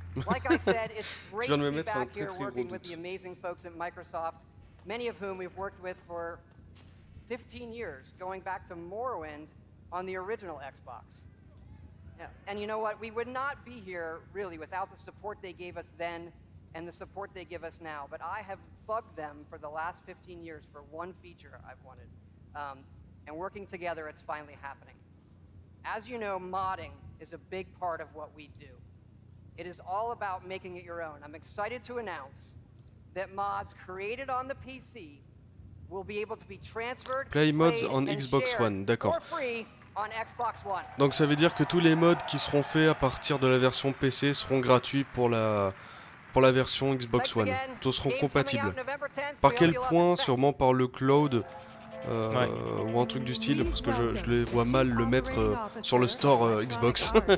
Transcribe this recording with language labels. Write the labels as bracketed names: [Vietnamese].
[French] Tu viens de me mettre un très très gros doute. [English] Many of whom we've worked with for 15 years, going back to Morrowind on the original Xbox. And you know what? We would not be here really without the support they gave us then and the support they give us now. But I have bugged them for the last 15 years for one feature I've wanted. And working together, it's finally happening. As you know, modding is a big part of what we do. It is all about making it your own. I'm excited to announce that mods created on the PC will be able to be transferred, play mods on Xbox One, [French] d'accord. [English] For free on Xbox One. [French] Donc ça veut dire que tous les mods qui seront faits à partir de la version PC seront gratuits pour la version Xbox One. Tous seront compatibles. Par quel point? Sûrement par le cloud. Ou un truc du style, parce que je les vois mal le mettre sur le store Xbox.